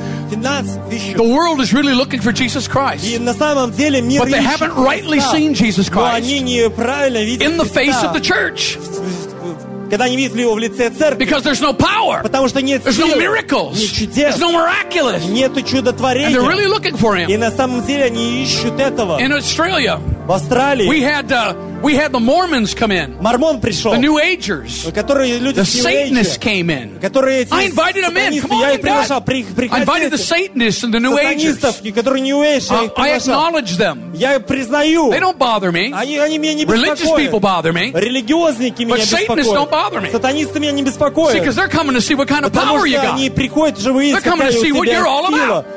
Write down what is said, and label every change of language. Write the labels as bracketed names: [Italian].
[English] The world is really looking for Jesus Christ. But they haven't rightly seen Jesus Christ in the face of the church. [Russian] Когда они видят его в лице церкви. [English] Because there's no power. [Russian] Потому что нет [English] there's [Russian] сил. [English] No miracles. [Russian] Нет чудес. [English] There's no miraculous. [Russian] Нет чудотворения. [English] And they're really looking for him. [Russian] И на самом деле они ищут этого. [English] In Australia. [Russian] В Австралии. [English] We had the Mormons come in. [Russian] Мормон пришел. [English] The New Agers. [Russian] Которые люди [English] the Satanists came in. [Russian] Которые [English] I invited them in. Come on, [Russian] приглашал. [English] I invited the Satanists and the New Agers. [Russian] Которые New Agers. [English] I acknowledge them. [Russian] Я признаю. [English] They don't bother me. [Russian] Они меня не беспокоят. [English] Religious people bother me. [Russian] Религиозники меня беспокоят. [English] But Satanists don't bother me. [Russian] Сатанисты меня не беспокоят. [English] See, because they're coming to see what kind of power you got. [Russian] Они приходят, чтобы [English] they're coming to see what you're all about.